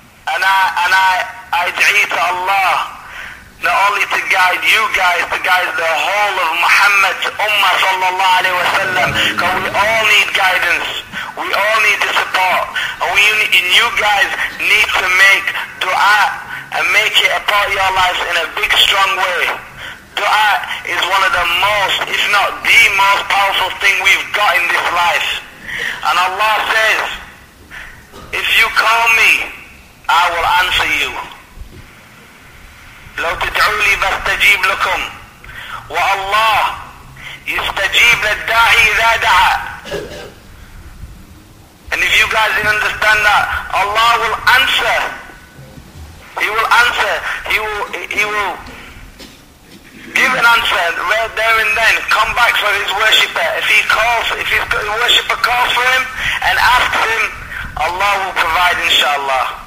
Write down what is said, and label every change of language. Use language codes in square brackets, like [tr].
[en] And I dua to Allah, not only to guide you guys, to guide the whole of Muhammad's Ummah sallallahu alayhi wa sallam, because we all need guidance, we all need the support, and you guys need to make dua and make it a part of your lives in a big strong way. Dua is one of the most, if not the most powerful thing we've got in this life. And Allah says, if you call me, I will answer you. [ar] لو تدعوا لي فاستجيب لكم والله يستجيب للداعي إذا دعا. [en] And if you guys didn't understand that, Allah will answer. He will answer. He will give an answer right there and then. Come back for his worshipper. If his worshipper calls for him and asks him, Allah will provide, inshallah.